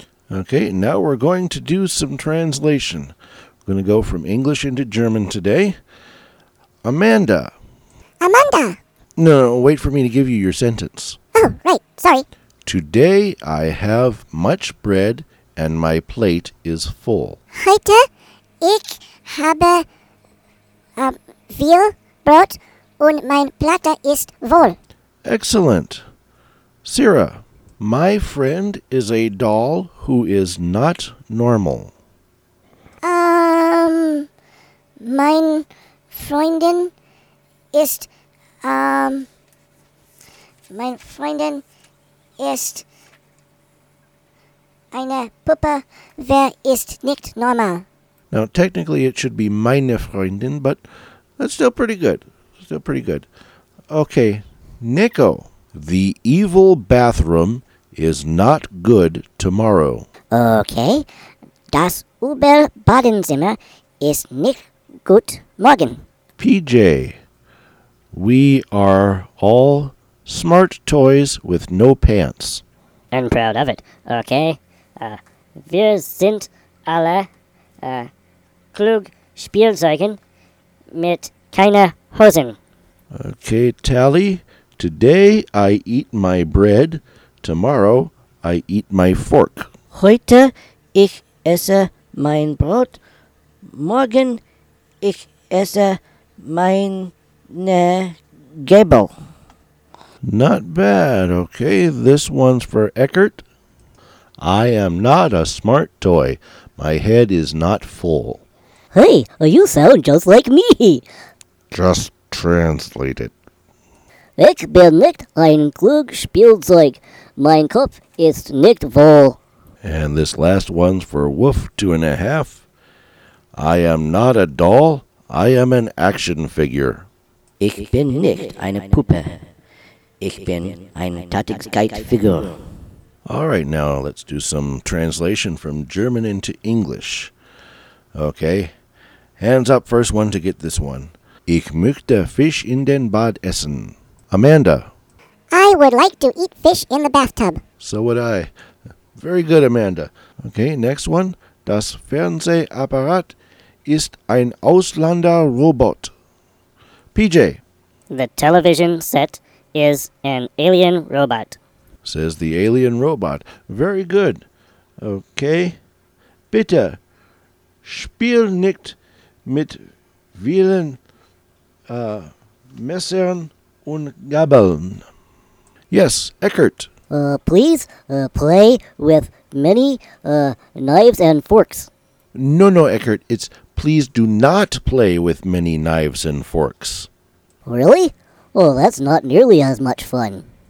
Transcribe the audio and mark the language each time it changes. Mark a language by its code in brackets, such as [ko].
[en] Okay, now we're going to do some translation. We're going to go from English into German today. Amanda. Amanda. No, wait for me to give you your sentence. Oh, right. Sorry. Today I have much bread and my plate is full. [de] Heute ich habe viel Brot und mein Platte ist voll. [en] Excellent. Sarah. My friend is a doll who is not normal. [de] Mein Freundin ist, mein Freundin ist eine Puppe, wer ist nicht normal. [en] Now, technically, it should be [de] meine Freundin, [en] but that's still pretty good. Still pretty good. Okay, Nico, the evil bathroom is not good tomorrow. Okay. [de] Das übel Badezimmer ist nicht gut morgen. [en] PJ, we are all smart toys with no pants. I'm proud of it. Okay. [de] Wir sind alle klug Spielzeugen mit keine Hosen. [en] Okay, Tally, today I eat my bread. Tomorrow, I eat my fork. [de] Heute, ich esse mein Brot. Morgen, ich esse meine Gabel. [en] Not bad. Okay, this one's for Eckert. I am not a smart toy. My head is not full. Hey, you sound just like me. Just translate it. [de] Ich bin nicht ein klug Spielzeug. Mein Kopf ist nicht voll. [en] And this last one's for Wolf 2.5. I am not a doll. I am an action figure. [de] Ich bin nicht eine Puppe. Ich bin eine Tätigkeitsfigur. [en] All right, now let's do some translation from German into English. Okay, hands up, first one to get this one. [de] Ich möchte Fisch in den Bad essen. [en] Amanda. I would like to eat fish in the bathtub. So would I. Very good, Amanda. Okay, next one. [de] Das Fernsehapparat ist ein Ausländerrobot. [en] PJ. The television set is an alien robot. Says the alien robot. Very good. Okay. [de] Bitte, spiel nicht mit vielen Messern und Gabeln. [en] Yes, Eckert. Please play with many knives and forks. No, no, Eckert. It's please do not play with many knives and forks. Really? Oh, that's not nearly as much fun.